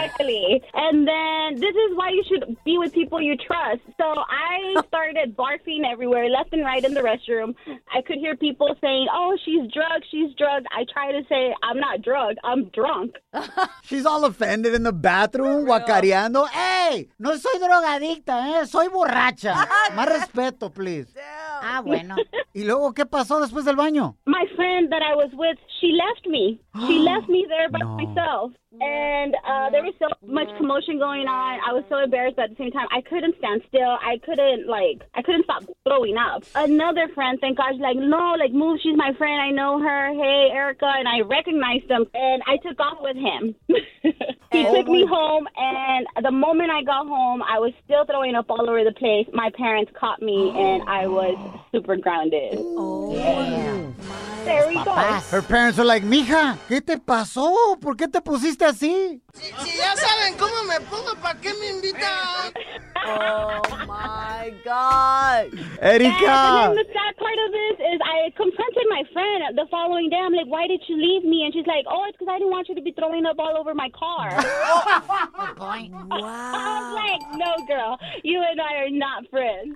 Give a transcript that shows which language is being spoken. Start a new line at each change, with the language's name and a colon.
English: Exactly. And then this is why you should be with people you trust. So I started barfing everywhere, left and right in the restroom. I could hear people saying, oh, she's drugged, she's drugged. I try to say, I'm not drugged, I'm drunk. She's all offended in the bathroom, guacareando.
Spanish: Hey, no soy drogadicta, soy borracha. Más respeto, please. Ah, bueno. ¿Y luego qué pasó después del baño?
English: My friend that I was with, she left me. She left me there by myself. And there was so much commotion going on. I was so embarrassed, but at the same time, I couldn't stand still. I couldn't, like, I couldn't stop throwing up. Another friend, thank God, she's like, no, like, move. She's my friend. I know her. Hey, Erica. And I recognized him. And I took off with him. He took me home. And the moment I got home, I was still throwing up all over the place. My parents caught me, and I was super grounded. Oh, yeah. There we go. Her parents were like,
Spanish: mija, ¿qué te pasó? ¿Por qué te pusiste? Si, si ya saben cómo me pongo, ¿para qué me invitan?
English: Oh my God. Erika. And then the sad part of this is I confronted my friend the following day. I'm like, why did you leave me? And she's like, oh, it's because I didn't want you to be throwing up all over my car. Wow. I was like, no, girl. You and I are not friends.